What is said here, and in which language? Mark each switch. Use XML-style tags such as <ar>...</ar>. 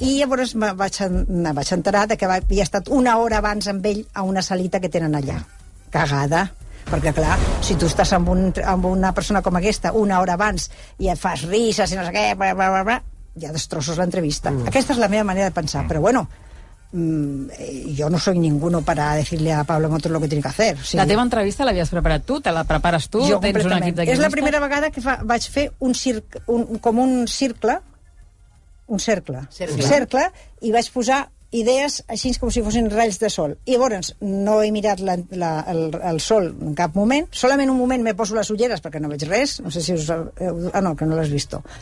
<ca>I llavors me vaig enterar que havia estat una hora abans amb ell a una salita que tenen allà. Cagada. Perquè, clar, si tu estàs amb una persona com aquesta una hora abans i et fas risas i no sé què, bla, bla, bla, bla, ja destrossos l'entrevista. Mm. Aquesta és la meva manera de pensar.</ca> <es>Mm.</es> <ca>Però,</ca> <es>bueno,</es> <ca>jo</ca> <es>no soy ninguno para decirle a Pablo Motos lo que tiene que hacer.</es> <ca>O sigui, la teva entrevista l'havies preparat tu, te la prepares tu, jo tens un equip d'aquí. És la primera vegada que vaig fer un circ, com un cercle. Un cercle, i vaig posar idees així com si fossin raigs de sol. I llavors, no he mirat el sol en cap moment, solament un moment me poso les ulleres perquè no veig res, no sé si us... Ah, no, que no l'has vist.</ca>